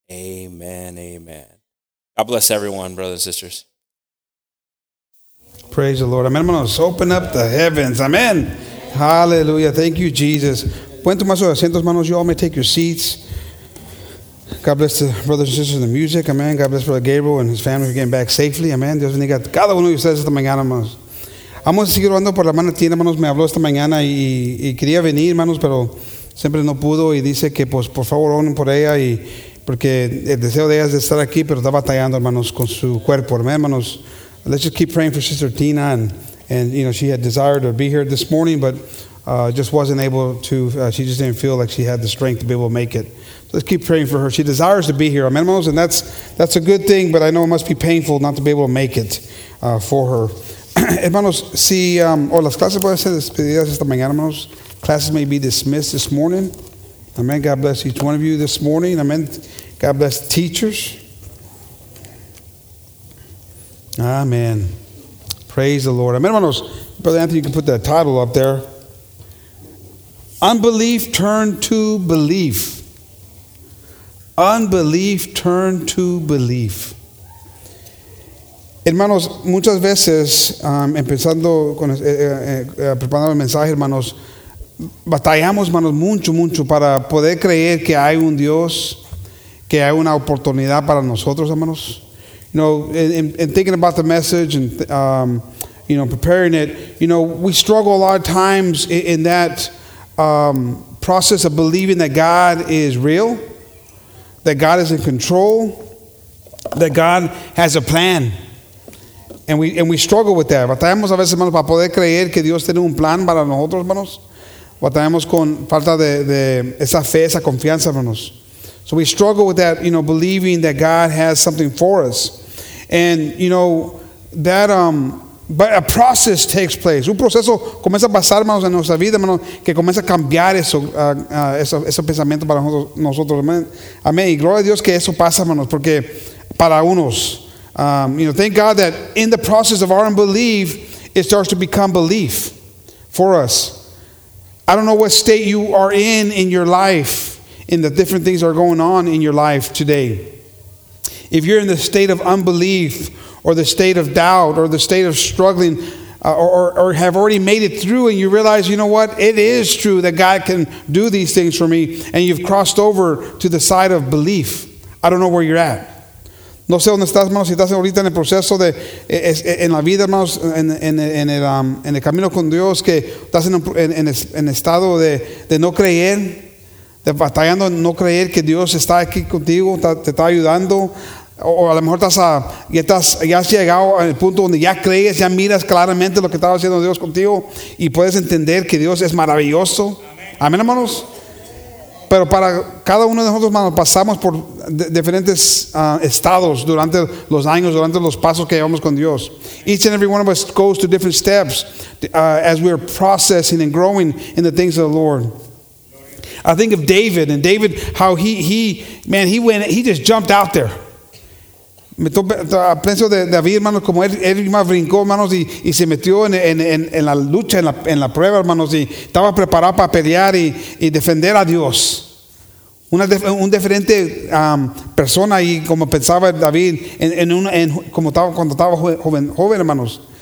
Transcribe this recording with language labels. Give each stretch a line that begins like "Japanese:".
English: Amen, amen. God bless everyone, brothers and sisters. Praise the Lord. Amen.
Spanish: Vamos a
English: open up the heavens. Amen. Hallelujah. Thank you, Jesus.
Spanish: Pueden tomar sus asientos, manos.
English: You all may take your seats. God bless the brothers and sisters in the music. Amen. God bless Brother Gabriel and his family for getting back safely. Amen.
Spanish: Dios bendiga cada uno de ustedes esta mañana, manos. Vamos a seguir orando por la hermana Tina, manos. Me habló esta mañana y quería venir, manos, pero siempre no pudo. Y dice que, pues, por favor, oren por ella. Y porque el deseo de ella es de estar aquí, pero está batallando, hermanos, con su cuerpo.
English: Amen, hermanos. Let's just keep praying for Sister Tina. And you know, she had desired to be here this morning, but just wasn't able to. She just didn't feel like she had the strength to be able to make it. So let's keep praying for her. She desires to be here. Amen, hermanos. And that's a good thing, but I know it must be painful not to be able to make it for her.
Spanish: Hermanos, si las clases pueden ser despedidas esta mañana, hermanos.
English: Classes may be dismissed this morning. Amen. God bless each one of you this morning. Amen. God bless teachers. Amen. Praise the Lord. Amen, hermanos. Brother Anthony, you can put that title up there. Unbelief turned to belief. Unbelief turned to belief.
Spanish: Hermanos, muchas veces, empezando con preparando el mensaje, hermanos, batallamos, hermanos, mucho para poder creer que hay un Dios, que hay una oportunidad para nosotros, hermanos.
English: You know, in thinking about the message and, you know, preparing it, you know, we struggle a lot of times in that process of believing that God is real, that God is in control, that God has a plan. And we struggle with that.
Spanish: Batallamos a veces, hermanos, para poder creer que Dios tiene un plan para nosotros, hermanos. Batallamos con falta de esa fe, esa confianza, hermanos.
English: So we struggle with that, you know, believing that God has something for us. And, you know, that, but a process takes place.
Spanish: Un proceso comienza a pasar, hermanos, en nuestra vida, hermanos, que comienza a cambiar eso, ese pensamiento para nosotros. Amén. Y gloria a Dios que eso pasa, hermanos, porque para unos...
English: you know, thank God that in the process of our unbelief, it starts to become belief for us. I don't know what state you are in your life, in the different things that are going on in your life today. If you're in the state of unbelief or the state of doubt or the state of struggling or have already made it through and you realize, you know what, it is true that God can do these things for me and you've crossed over to the side of belief. I don't know where you're at.
Spanish: No sé dónde estás, hermanos, si estás ahorita en el proceso de, en la vida, hermanos, en el camino con Dios, que estás en estado de no creer, de batallando en no creer que Dios está aquí contigo, te está ayudando, o a lo mejor ya has llegado al punto donde ya crees, ya miras claramente lo que estaba haciendo Dios contigo, y puedes entender que Dios es maravilloso. Amén, hermanos. Pero para cada uno de nosotros, hermanos, pasamos por diferentes estados durante los años, durante los pasos que llevamos con Dios.
English: Each and every one of us goes to different steps as we are processing and growing in the things of the Lord. I think of David, and David, how he just jumped out there.
Spanish: Me pienso de David, hermanos, como él más brincó, hermanos, y se metió en la lucha, en la prueba, hermanos, y estaba preparado para pelear y defender a Dios. Un diferente persona y como pensaba David en como estaba cuando estaba joven, hermanos.